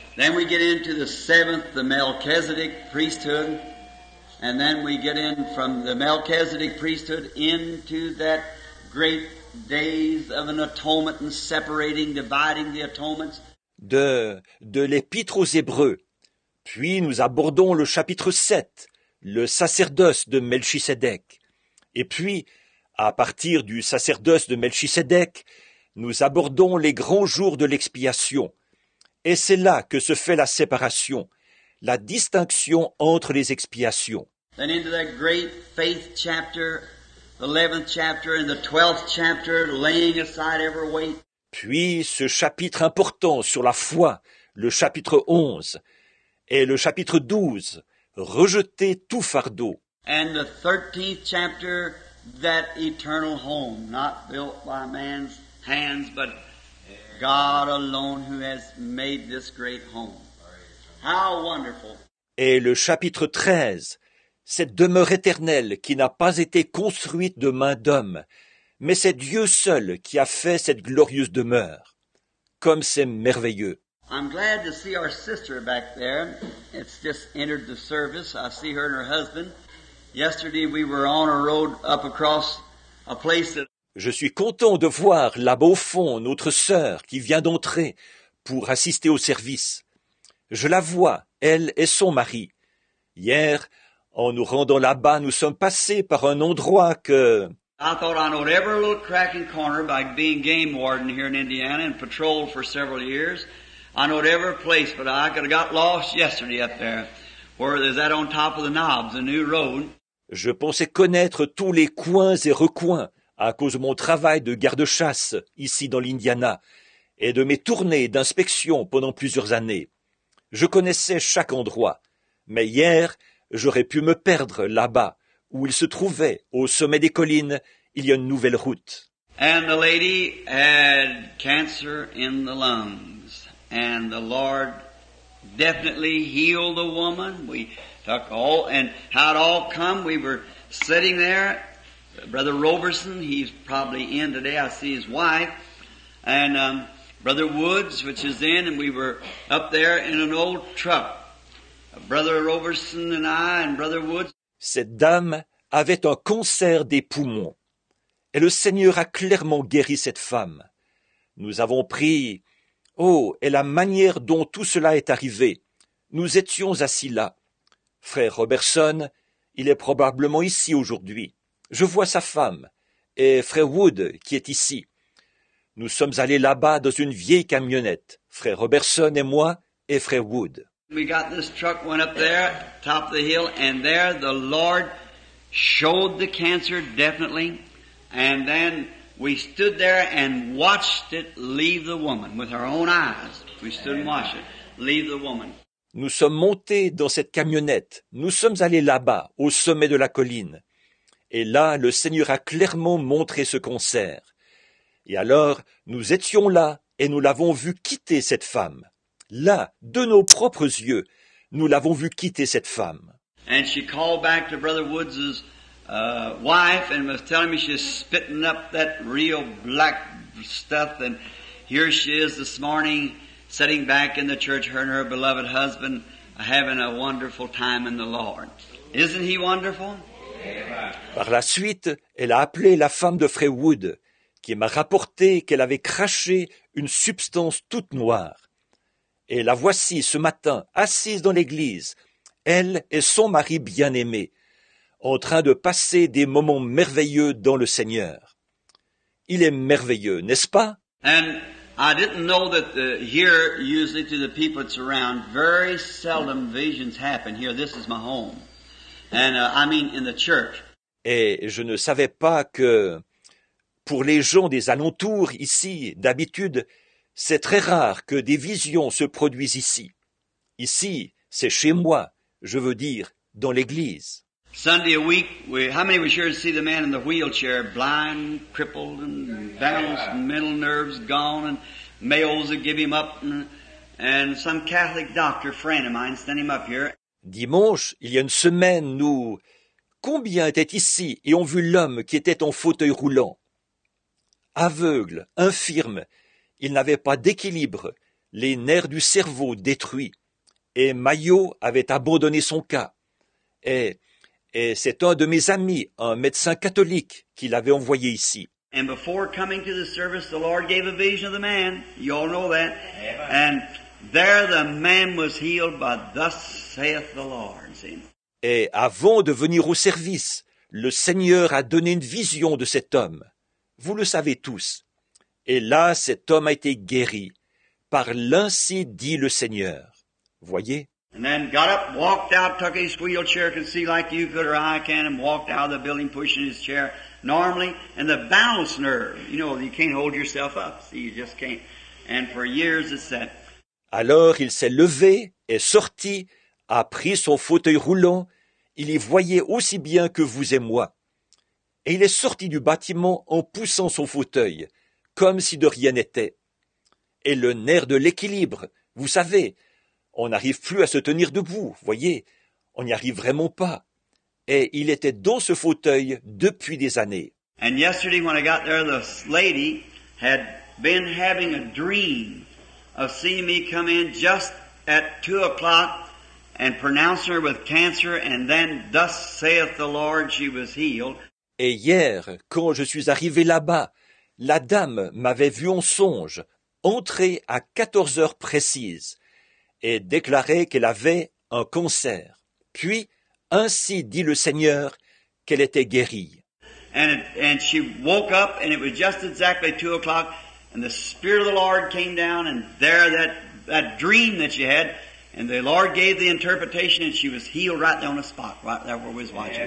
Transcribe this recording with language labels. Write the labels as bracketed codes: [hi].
[en] Then we get into the seventh, the Melchizedek priesthood, and then we get in from the Melchizedek priesthood into that great days of an atonement and separating, dividing the atonements. [fr] De l'Épître aux Hébreux. Puis nous abordons le chapitre 7, le sacerdoce de Melchisédek. Et puis, à partir du sacerdoce de Melchisédek, nous abordons les grands jours de l'expiation. Et c'est là que se fait la séparation, la distinction entre les expiations. [en] Then into that great faith chapter, 11th chapter and the 12th chapter, laying aside every weight. [fr] Puis ce chapitre important sur la foi, le chapitre 11, et le chapitre 12, rejeter tout fardeau. [en] And the 13th chapter, that eternal home, not built by man's hands, but God alone who has made this great home. How wonderful. [fr] Et le chapitre 13, cette demeure éternelle qui n'a pas été construite de main d'homme, mais c'est Dieu seul qui a fait cette glorieuse demeure. Comme c'est merveilleux. [en] I'm glad to see our sister back there. It's just entered the service. I see her and her husband. Yesterday we were on a road up across a place that... [fr] Je suis content de voir là-bas au fond notre sœur qui vient d'entrer pour assister au service. Je la vois, elle et son mari. Hier, en nous rendant là-bas, nous sommes passés par un endroit que... [en] I thought I knowed every little crack and corner by being game warden here in Indiana and patrolled for several years. I knowed every place, but I could have got lost yesterday up there. Where is that on top of the knobs, a new road? [fr] Je pensais connaître tous les coins et recoins à cause de mon travail de garde-chasse ici dans l'Indiana et de mes tournées d'inspection pendant plusieurs années. Je connaissais chaque endroit, mais hier, j'aurais pu me perdre là-bas, où il se trouvait, au sommet des collines, il y a une nouvelle route. [en] And the lady had cancer in the lungs, and the Lord definitely healed the woman. We took all, and how it all come, we were sitting there. Brother Roberson, he's probably in today, I see his wife, and Brother Woods, which is in, and we were up there in an old truck, Brother Roberson and I, and Brother Woods. [fr] Cette dame avait un cancer des poumons, et le Seigneur a clairement guéri cette femme. Nous avons pris, oh, et la manière dont tout cela est arrivé, nous étions assis là. Frère Roberson, il est probablement ici aujourd'hui. Je vois sa femme et frère Wood qui est ici. Nous sommes allés là-bas dans une vieille camionnette, frère Robertson et moi et frère Wood. [en] We got this truck, went up there, top of the hill, and there the Lord showed the cancer definitely. And then we stood there and watched it leave the woman with our own eyes. We stood and watched it leave the woman. [fr] Nous sommes montés dans cette camionnette. Nous sommes allés là-bas, au sommet de la colline. Et là, le Seigneur a clairement montré ce cancer. Et alors, nous étions là et nous l'avons vu quitter cette femme. Là, de nos propres yeux, nous l'avons vu quitter cette femme. [en] And she called back to Brother Woods's wife and was telling me she's spitting up that real black stuff. And here she is this morning, sitting back in the church, her and her beloved husband, having a wonderful time in the Lord. Isn't he wonderful? [fr] Par la suite, elle a appelé la femme de Frère Wood, qui m'a rapporté qu'elle avait craché une substance toute noire. Et la voici ce matin, assise dans l'église, elle et son mari bien-aimé, en train de passer des moments merveilleux dans le Seigneur. Il est merveilleux, n'est-ce pas? [en] And I didn't know that here, usually to the people that's around, very seldom visions happen here. This is my home. And I mean in the church. [fr] Et je ne savais pas que pour les gens des alentours ici, d'habitude, c'est très rare que des visions se produisent ici. Ici, c'est chez moi, je veux dire, dans l'église. [en] Sunday a week, how many were sure to see the man in the wheelchair, blind, crippled, and balanced, and mental nerves gone, and Mayo's would give him up, and some Catholic doctor, friend of mine, sent him up here. [fr] Dimanche, il y a une semaine, nous, combien étaient ici et ont vu l'homme qui était en fauteuil roulant? Aveugle, infirme, il n'avait pas d'équilibre, les nerfs du cerveau détruits, et Mayo avait abandonné son cas. Et c'est un de mes amis, un médecin catholique, qui l'avait envoyé ici. [en] And before coming to the service, the Lord gave a vision of the man. You all know that. Yeah. And there the man was healed by thus saith the Lord. See? [fr] Et avant de venir au service, le Seigneur a donné une vision de cet homme. Vous le savez tous. Et là, cet homme a été guéri. Par l'ainsi dit le Seigneur. Voyez. [en] And then got up, walked out, took his wheelchair, could see like you could or I can, and walked out of the building pushing his chair normally. And the balance nerve, you know, you can't hold yourself up, see, you just can't. And for years it's that. [fr] Alors il s'est levé, est sorti, a pris son fauteuil roulant, il y voyait aussi bien que vous et moi. Et il est sorti du bâtiment en poussant son fauteuil, comme si de rien n'était. Et le nerf de l'équilibre, vous savez, on n'arrive plus à se tenir debout, voyez, on n'y arrive vraiment pas. Et il était dans ce fauteuil depuis des années. [en] And yesterday when I got there, the lady had been having a dream of seeing me come in just at 2 o'clock and pronouncing her with cancer, and then thus saith the Lord, she was healed. [fr] Et hier, quand je suis arrivé là-bas, la dame m'avait vu en songe, entrer à 14 heures précises, et déclarait qu'elle avait un cancer. Puis, ainsi dit le Seigneur, qu'elle était guérie. [en] And she woke up, and it was just exactly 2 o'clock, and the Spirit of the Lord came down, and there that dream that she had, and the Lord gave the interpretation, and she was healed right there on the spot, right there where we was watching.